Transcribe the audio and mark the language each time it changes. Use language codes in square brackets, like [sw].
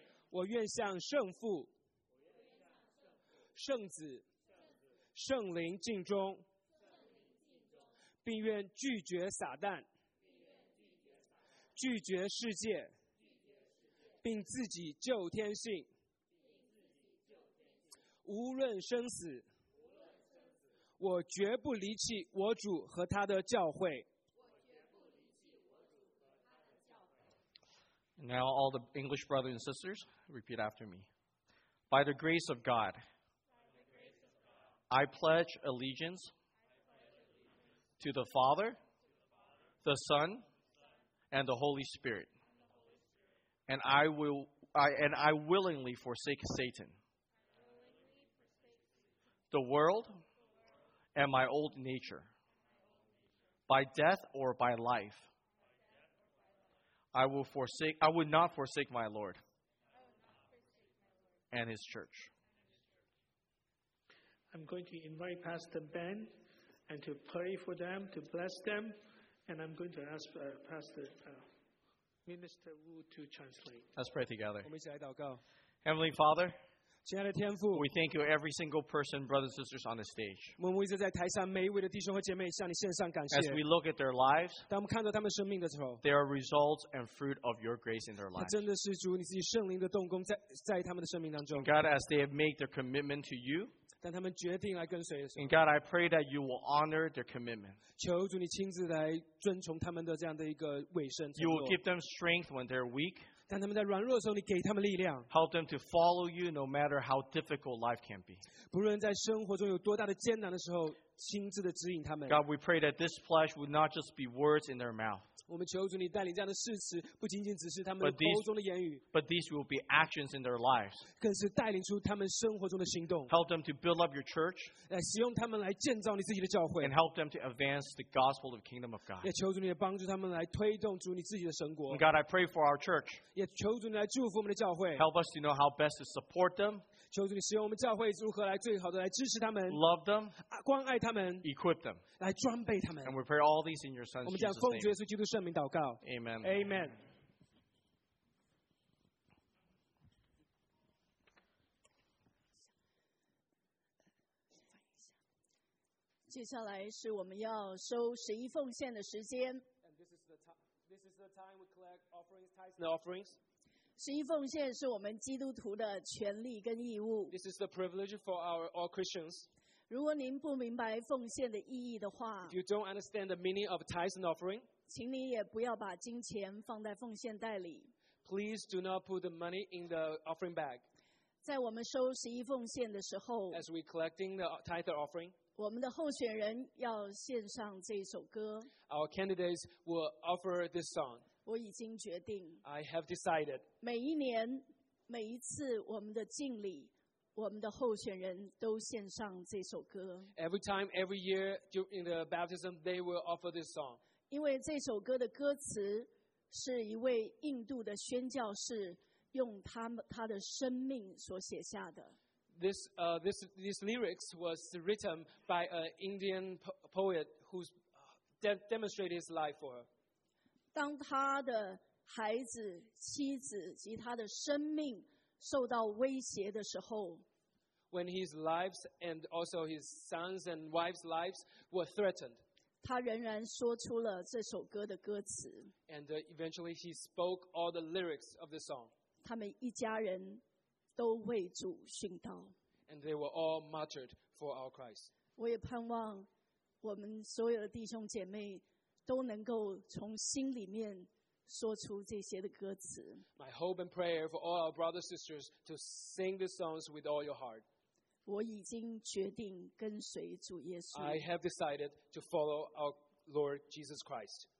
[zh] 我愿向圣父、圣子、圣灵敬忠，并愿拒绝撒旦，拒绝世界，并自己救天性，无论生死，我绝不离弃我主和他的教会。 [en] Now, all the English brothers and sisters, repeat after me. By the grace of God, I pledge allegiance to the Father, the Son, and the Holy Spirit. And I willingly forsake Satan, the world, and my old nature. By death or by life, I will not forsake my Lord and His church. I'm going to invite Pastor Ben and to pray for them, to bless them, and I'm going to ask Pastor Minister Wu to translate. Let's pray together. [zh] 我们一起来祷告。 [en] Heavenly Father, [zh] 亲爱的天父, [en] we thank you every single person, brothers and sisters on the stage. [zh] 我们一直在台上每一位的弟兄和姐妹向你献上感谢。 [en] As we look at their lives, [zh] 当我们看到他们生命的时候, [en] there are results and fruit of your grace in their lives. [zh] 真的是主你自己圣灵的动工在他们的生命当中。 [en] God, as they have made their commitment to you, [zh] 当他们决定来跟随的时候, [en] and God, I pray that you will honor their commitment. [zh] 求主你亲自来遵从他们的这样的一个委身。 [en] You will give them strength when they're weak. [zh] 当他们在软弱的时候，你给他们力量。 [en] Help them to follow you, no matter how difficult life can be. [zh] 不论在生活中有多大的艰难的时候，亲自的指引他们。 [en] God, we pray that this pledge would not just be words in their mouth. [zh] 我们求主你带领这样的誓词，不仅仅只是他们口中的言语。 [en] But these will be actions in their lives. [zh] 更是带领出他们生活中的行动。 [en] Help them to build up your church. [zh] 来使用他们来建造你自己的教会。 [en] And help them to advance the gospel of the kingdom of God. [zh] 也求主你帮助他们来推动主你自己的神国。 [en] God, I pray for our church. [zh] 也求主你来祝福我们的教会。 [en] Help us to know how best to support them. [zh] 求主你使用我们教会如何来最好的来支持他们。 [en] Love them. [zh] 关爱他们。 [en] Equip them. [zh] 来装备他们。 [en] And we pray all these in your Son's [zh] 我们将奉主耶稣基督圣名祷告。 [en] Amen. Amen. Amen. [zh] 接下来是我们要收十一奉献的时间。 [en] This is the time we collect offerings, tithes, and offerings. [zh] 十一奉献是我们基督徒的权利跟义务。 [en] This is the privilege for all Christians. [zh] 如果您不明白奉献的意义的话， [en] If you don't understand the meaning of tithes and offering, [zh] 请你也不要把金钱放在奉献袋里。 [en] Please do not put the money in the offering bag. [zh] 在我们收十一奉献的时候， [en] As we collecting the tithe offering, [zh] 我们的候选人要献上这首歌。 [en] Our candidates will offer this song. [zh] 我已经决定。 [en] I have decided. [zh] 每一年，每一次我们的敬礼，我们的候选人都献上这首歌。 [en] Every time, every year, during the baptism, they will offer this song. [zh] 因为这首歌的歌词是一位印度的宣教士用他的生命所写下的。 [en] These lyrics was written by an Indian poet who demonstrated his life for her. [zh] 当他的孩子、妻子及他的生命受到威胁的时候， [en] When his lives and also his sons and wives' lives were threatened, [zh] 他仍然说出了这首歌的歌词。 [en] And eventually he spoke all the lyrics of the song. [zh] 他们一家人都为主殉道。 [en] And they were all martyred for our Christ. [zh] 我也盼望我们所有的弟兄姐妹都能够从心里面说出这些的歌词。 [en] My hope and prayer for all our brothers and sisters to sing these songs with all your heart. [zh] 我已经决定跟随主耶稣。 [en] I have decided to follow our Lord Jesus Christ.